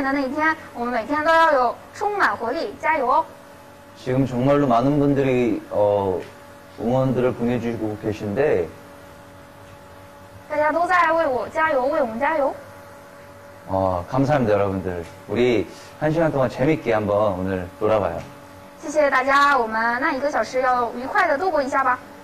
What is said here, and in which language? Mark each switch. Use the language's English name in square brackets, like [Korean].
[Chinese] 虽然现在只能在网上见面，但是等待着可以直接见面的那一天，我们每天都要有充满活力，加油！ [Korean] 지금 정말로 많은 분들이 응원들을 보내주고 계신데. [Chinese] 大家都在为我加油，为我们加油。 [Korean] 감사합니다, 여러분들. 우리 한 시간 동안 재밌게 한번 오늘 놀아봐요. [Chinese] 谢谢大家，我们那一个小时要愉快的度过一下吧。